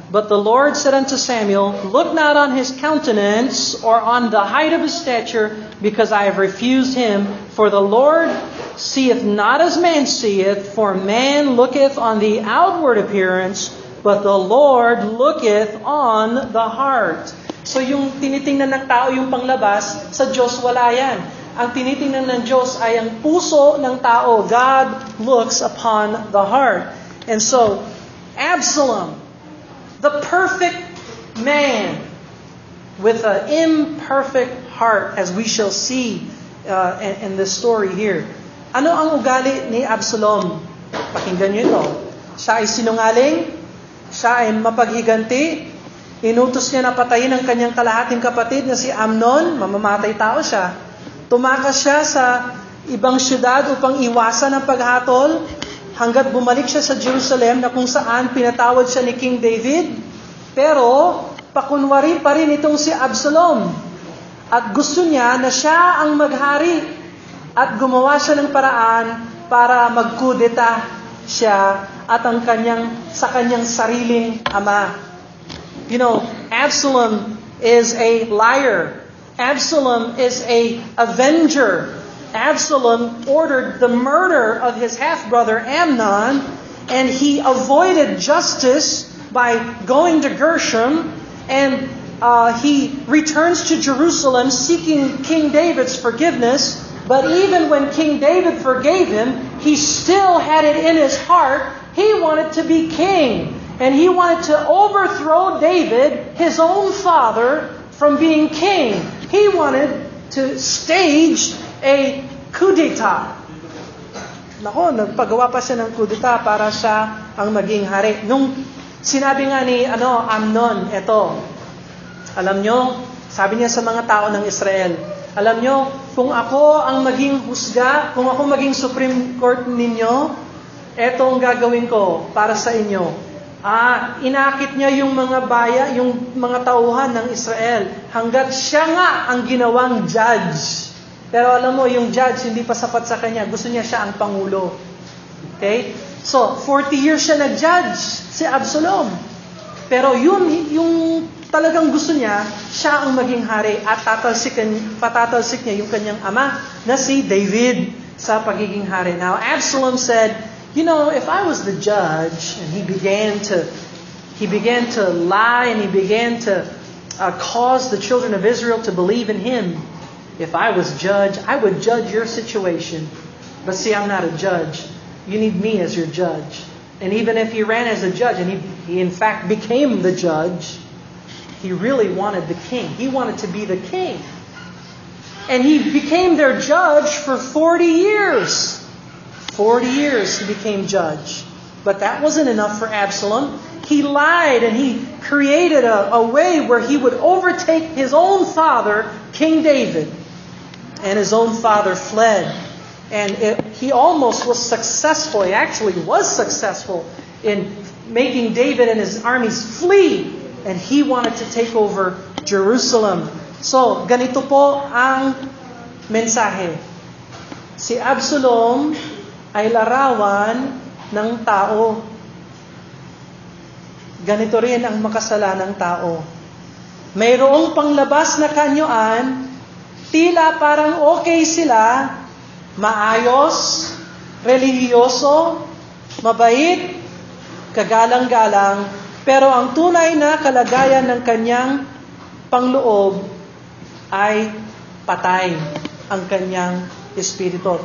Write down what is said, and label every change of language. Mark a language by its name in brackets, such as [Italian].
[English] But the Lord said unto Samuel, look not on his countenance or on the height of his stature, because I have refused him. For the Lord seeth not as man seeth, for man looketh on the outward appearance, but the Lord looketh on the heart. [Filipino] So yung tinitingnan ng tao yung panglabas, sa Diyos wala yan. Ang tinitingnan ng Diyos ay ang puso ng tao. [English] God looks upon the heart. And so, Absalom, the perfect man with an imperfect heart, as we shall see in this story here. [Filipino] Ano ang ugali ni Absalom? Pakinggan niyo ito. Siya ay sinungaling. Siya ay mapaghiganti. Inutos niya na patayin ang kanyang kalahating kapatid na si Amnon. Mamamatay tao siya. Tumakas siya sa ibang syudad upang iwasan ang paghatol hanggat bumalik siya sa Jerusalem na kung saan pinatawad siya ni King David. Pero pakunwari pa rin itong si Absalom. At gusto niya na siya ang maghari at gumawa siya ng paraan para magkudeta siya at ang kanyang, sa kanyang sariling ama. [English] You know, Absalom is a liar. Absalom is a avenger. Absalom ordered the murder of his half-brother Amnon, and he avoided justice by going to Gershom, and he returns to Jerusalem seeking King David's forgiveness. But even when King David forgave him, he still had it in his heart. He wanted to be king, and he wanted to overthrow David, his own father, from being king. He wanted to stage a coup d'etat. [Filipino] Nako, nagpagawa pa siya ng coup d'etat para siya ang maging hari. Nung sinabi nga ni Amnon, eto, alam nyo, sabi niya sa mga tao ng Israel, alam nyo, kung ako ang maging husga, kung ako maging Supreme Court ninyo, eto ang gagawin ko para sa inyo. Inakit niya yung mga baya, yung mga tauhan ng Israel, hanggat siya nga ang ginawang judge. Pero alam mo, yung judge hindi pa sapat sa kanya. Gusto niya siya ang pangulo. Okay? So, 40 years siya nag-judge si Absalom. Pero yung talagang gusto niya, siya ang maging hari at patatalsik niya yung kanyang ama na si David sa pagiging hari. [English] Now, Absalom said, you know, if I was the judge, and he began to lie, and he began to cause the children of Israel to believe in him, if I was judge, I would judge your situation. But see, I'm not a judge. You need me as your judge. And even if he ran as a judge, and he in fact became the judge, he really wanted the king. He wanted to be the king. And he became their judge for 40 years. 40 years he became judge. But that wasn't enough for Absalom. He lied and he created a way where he would overtake his own father, King David. And his own father fled. And he almost was successful. He actually was successful in making David and his armies flee. And he wanted to take over Jerusalem [Filipino] So, ganito po ang mensahe. Si Absalom ay larawan ng tao. Ganito rin ang makasalanan ng tao. Mayroong panglabas na kanyuan, tila parang okay sila, maayos, relihiyoso, mabait, kagalang-galang, pero ang tunay na kalagayan ng kanyang pangloob ay patay ang kanyang espiritu.